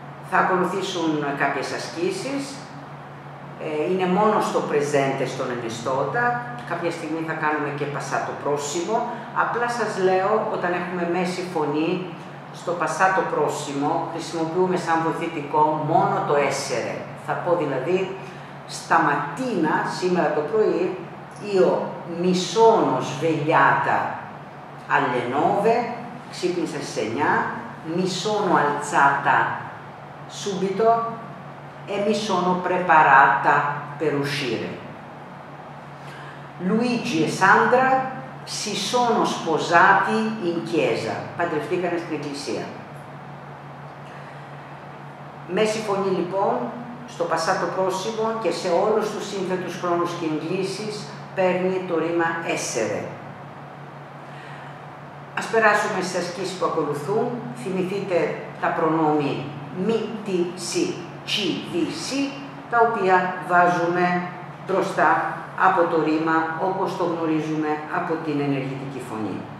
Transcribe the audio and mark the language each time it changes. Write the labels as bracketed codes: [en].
[el] Θα ακολουθήσουν κάποιες ασκήσεις. Είναι μόνο στο πρεζέντε, στον εμεστώτα. Κάποια στιγμή θα κάνουμε και πασάτο πρόσημο. Απλά σας λέω, όταν έχουμε μέση φωνή, στο πασάτο πρόσημο χρησιμοποιούμε σαν βοηθητικό μόνο το έσερε. Θα πω δηλαδή, σταματίνα σήμερα το πρωί, [it] io mi sono svegliata alle 9, [el] ξύπνησα στις 9, [it] mi sono alzata subito e mi sono preparata per uscire. Luigi e Sandra si sono sposati in chiesa, [el] παντρευτήκανε στην εκκλησία. Μέση φωνή λοιπόν, στο passato prossimo και σε όλους τους σύνθετους χρόνους και εγκλήσεις, παίρνει το ρήμα «έσερε». Ας περάσουμε στις ασκήσεις που ακολουθούν. Θυμηθείτε τα προνόμια «μι», «τι», «σι», «τσι», «δι», «σι», τα οποία βάζουμε μπροστά από το ρήμα, όπως το γνωρίζουμε από την ενεργητική φωνή.